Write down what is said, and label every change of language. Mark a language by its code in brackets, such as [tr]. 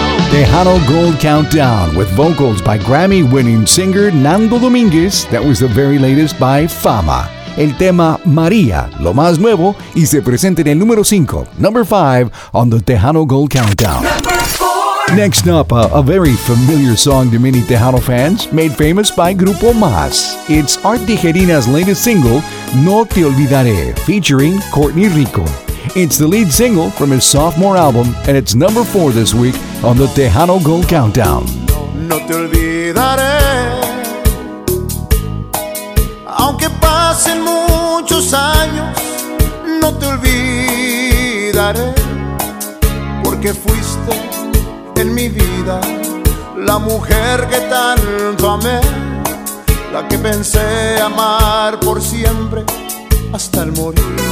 [en] Tejano Gold Countdown with vocals by Grammy-winning singer Nando Dominguez. That was the very latest by Fama. [es] El tema María, lo más nuevo, y se presenta en el número 5, [en] number 5, on the Tejano Gold Countdown. Next up, a very familiar song to many Tejano fans, made famous by Grupo Mas. It's Art Tijerina's latest single, No Te Olvidaré, featuring Courtney Rico. It's the lead single from his sophomore album, and it's number 4 this week on the Tejano Gold Countdown. [es] No, no te olvidaré, aunque pasen muchos años, no te olvidaré, porque fuiste en mi vida la mujer que tanto amé, la que pensé amar por siempre hasta el morir.